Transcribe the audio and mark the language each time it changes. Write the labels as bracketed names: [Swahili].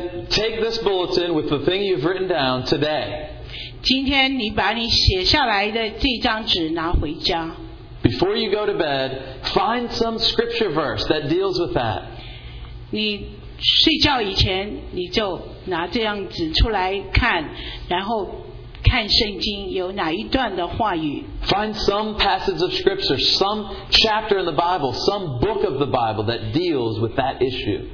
[English] take this bulletin with the thing you've written down today. [Chinese] 今天你把你写下来的这张纸拿回家。 [English] Before you go to bed, find some scripture verse that deals with that. [Chinese] 你睡觉以前你就拿这样子出来看，然后看圣经有哪一段的话语。 [English] Find some passage of scripture, some chapter in the Bible, some book of the Bible that deals with that issue.